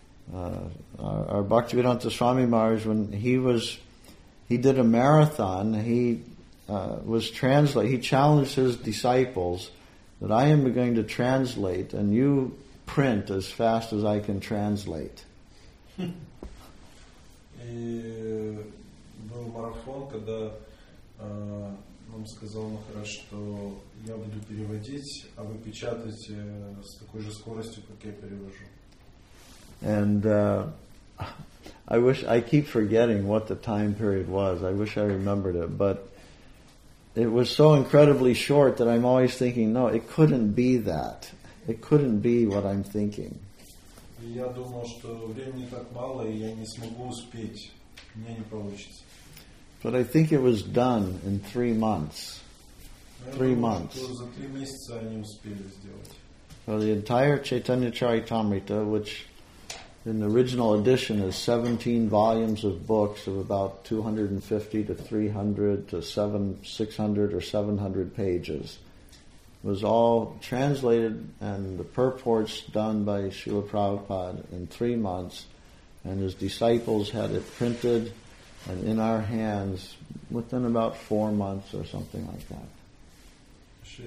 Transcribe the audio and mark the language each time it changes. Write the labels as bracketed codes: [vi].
[en] When our Bhaktivedanta Swami Maharaj, when he did a marathon, he challenged his disciples that I am going to translate and you print as fast as I can translate. [ru] Был марафон, когда нам сказал Махарадж, что я буду переводить, а вы печатайте с такой же скоростью, как я перевожу. [en] And I wish I keep forgetting what the time period was. I wish I remembered it, but it was so incredibly short that I'm always thinking, no, it couldn't be that. It couldn't be what I'm thinking. [ru] Я думал, что времени так мало, и я не смогу успеть. Мне не получится. [en] But I think it was done in 3 months. [ru] За 3 месяца они успели сделать. [en] So the entire Chaitanya Charitamrita, which in the original edition is 17 volumes of books of about 250 to 300 to 600 or 700 pages, it was all translated and the purports done by Srila Prabhupada in 3 months, and his disciples had it printed and in our hands within about 4 months or something like that.